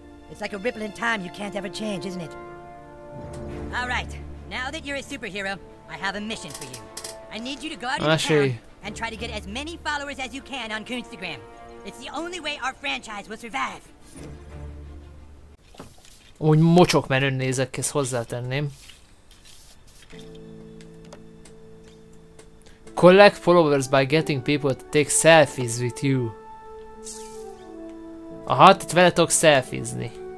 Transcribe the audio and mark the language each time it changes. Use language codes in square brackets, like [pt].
[en] It's like a ripple in time you can't ever change, isn't it? All right. Now that you're a superhero, I have a mission for you. I need you to go out into town and try to get as many followers as you can on Instagram. It's the only way our franchise will survive. [hu] Úgy mocsok menő nézek, ezt hozzátenném. [en] Collect followers by getting people to take selfies with you. [hu] Aha, itt vele tudok selfiezni.